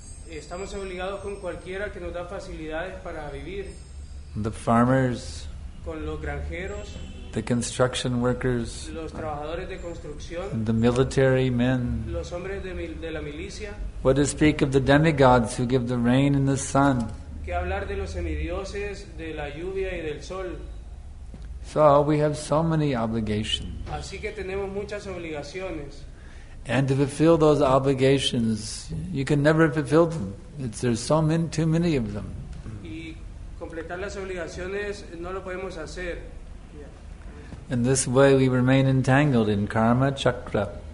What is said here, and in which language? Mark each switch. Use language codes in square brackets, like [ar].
[es] Estamos obligados con cualquiera que nos da facilidades para vivir. [en] The farmers, [es] con los granjeros, [en] the construction workers, [es] los trabajadores de construcción, [en] the military men, [es] los hombres de la milicia. [en] What to speak of the demigods who give the rain and the sun? [es] ¿Qué hablar de los semidioses, de la lluvia y del sol? [en] So we have so many obligations. [es] Así que tenemos muchas obligaciones. [en] And to fulfill those obligations, you can never fulfill them. There's so many, too many of them. [es] Y completar las obligaciones no lo podemos hacer. [en] In this way, we remain entangled in karma chakra.